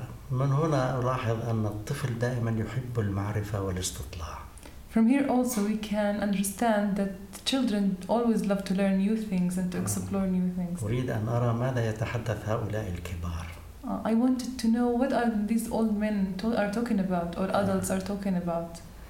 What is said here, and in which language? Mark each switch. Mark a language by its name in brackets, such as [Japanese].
[Arabic] من هنا لاحظ أن الطفل دائما يحب المعرفة والاستطلاع. [English] From here also we can understand that children always love to learn new things and to explore new things. [Arabic] أريد أن أرى ماذا يتحدث هؤلاء الكبار. [English] I wanted to know what are these old men are talking about or adults are talking about.